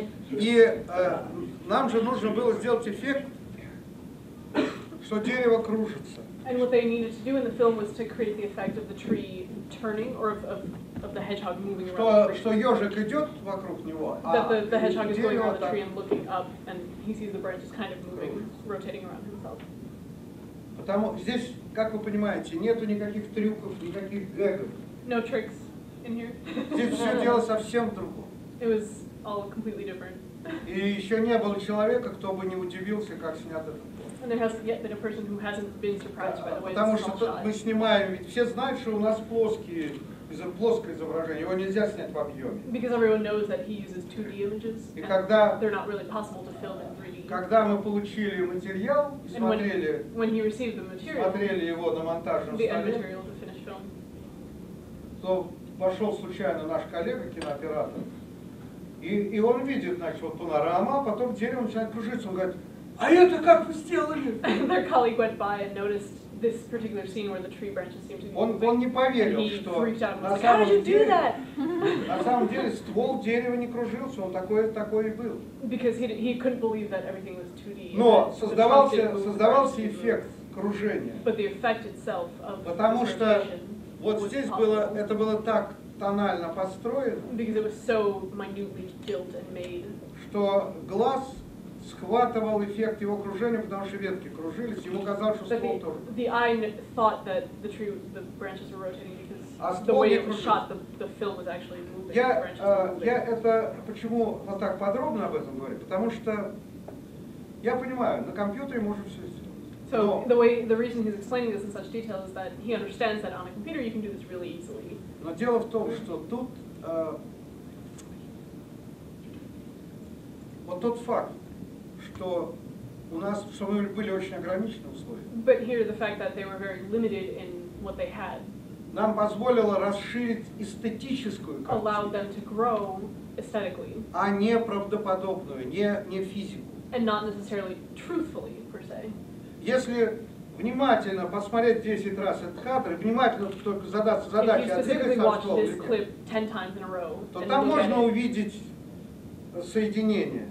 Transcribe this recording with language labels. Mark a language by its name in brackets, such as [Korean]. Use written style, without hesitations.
[Russian] И нам же нужно было сделать эффект, что дерево кружится. [English] And what they needed to do in the film was to create the effect of the tree turning, or of the hedgehog moving around. [Russian] Что ежик идет вокруг него, а [English] the hedgehog is going around the tree and looking up, and he sees the branches kind of moving, rotating around himself. [Russian] Потому здесь, как вы понимаете, нету никаких трюков, никаких гэгов. [English] No tricks. In here. [Russian] Здесь все дело совсем другое. [English] It was all completely different. [Russian] И еще не было человека, кто бы не удивился, как снят этот план. [English] And there hasn't yet been a person who hasn't been surprised by the way [Russian] Потому что мы снимаем, ведь все знают, что у нас плоское изображение, его нельзя снять в объеме. [English] Because everyone knows that he uses 2D images. [Russian] И когда [English] they're not really possible to film in 3D. [Russian] Когда мы получили материал и смотрели, [English] when he received the material, [Russian] смотрели его на монтажном [English] the end material to finish film. [Russian] То Вошел случайно наш коллега, кинооператор, и он видит, значит, вот панорама, а потом дерево начинает кружиться. Он говорит, а это как вы сделали? [English] Their colleague went by and noticed this particular scene where the tree branches seemed to be moving. [Russian] Он не поверил, что на самом деле, ствол дерева не кружился, он такой и был. [English] Because he couldn't believe that everything was 2D. [Russian] Но создавался эффект кружения. [English] But the effect itself of [Russian] Потому что Вот здесь было, это было так тонально построено, [English] Because it was so minutely built and made. [Russian] Что глаз схватывал эффект его кружения, потому что ветки кружились, ему казалось, что ствол тоже. [English] The eye thought that the tree, the branches were rotating because the way it was shot, the film was actually moving. [Russian] Я это почему вот так подробно об этом говорю, потому что я понимаю, на компьютере можно все сделать. [English] So the reason he's explaining this in such detail is that he understands that on a computer you can do this really easily. [Russian] Но дело в том, что тут вот тот факт, что у нас, что мы были очень ограничены в условиях. [English] But here the fact that they were very limited in what they had. [Russian] Нам позволило расширить эстетическую картину. [English] Allowed them to grow aesthetically. [Russian] А не правдоподобную, не физику. [English] And not necessarily truthfully per se. [Russian] Если внимательно посмотреть 10 раз этот кадр, внимательно только задаться задачей, а двигаться от стола, то там можно увидеть соединение.